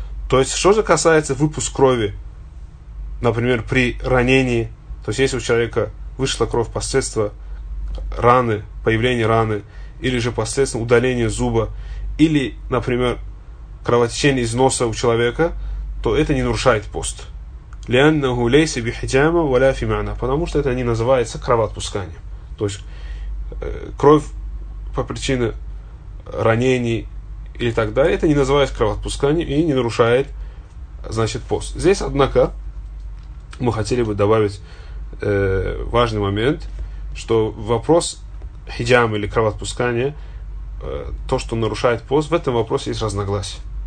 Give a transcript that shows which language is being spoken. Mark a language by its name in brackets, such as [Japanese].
[Russian] То есть, что же касается выпуска крови, например, при ранении, то есть, если у человека вышла кровь посредством раны, появления раны, или же посредством удаления зуба, или, например, кровотечение из носа у человека, то это не нарушает пост. [Arabic] لأنه ليس بحجامة ولا في معنى. [Russian] Потому что это не называется кровоотпусканием. То есть кровь по причине ранений или так далее, это не называется кровоотпусканием и не нарушает, значит, пост. Здесь, однако, мы хотели бы добавить важный момент, что вопрос хиджамы или кровоотпускания, то, что нарушает пост, в этом вопросе есть разногласия.